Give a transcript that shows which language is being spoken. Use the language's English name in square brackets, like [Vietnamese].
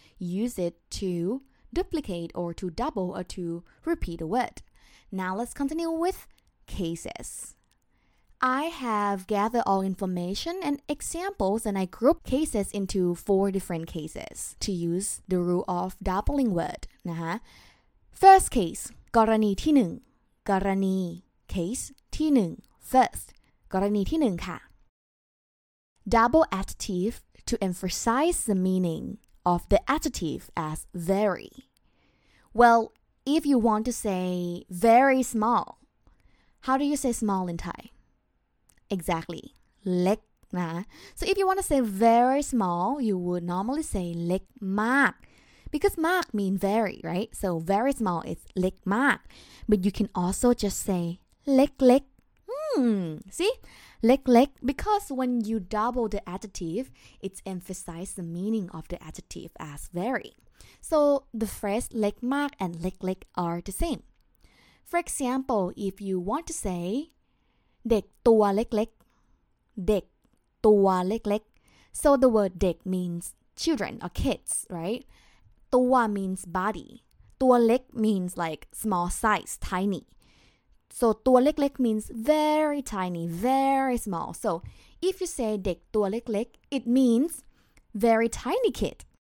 [English] Use it to duplicate or to double or to repeat a word. Now let's continue with cases. I have gathered all information and examples and I group cases into four different cases to use the rule of doubling word. [Thai] นะฮะ [English] First case, [Thai] กรณีที่หนึ่ง กรณี case ที่หนึ่ง [English] First, [Thai] กรณีที่หนึ่งค่ะ [English] Double adjective to emphasize the meaning of the adjective as very. Well, if you want to say very small, how do you say small in Thai? Exactly. [Thai] เล็กนะ [English] So if you want to say very small, you would normally say เล็กมาก Because มาก means very, right? So very small is เล็กมาก But you can also just say เล็กเล็ก See? เล็กเล็ก Because when you double the adjective, it's emphasize the meaning of the adjective as very. So the phrase เล็กมาก and เล็กเล็ก are the same. For example, if you want to sayเด็กตัวเล็กๆเด็กตัวเล็กๆ so the word เด็ก means children or kids right ตัว means body ตัวเล็ก means like small size tiny so ตัวเล็กๆ means very tiny very small so if you say เด็กตัวเล็กๆ it means very tiny kid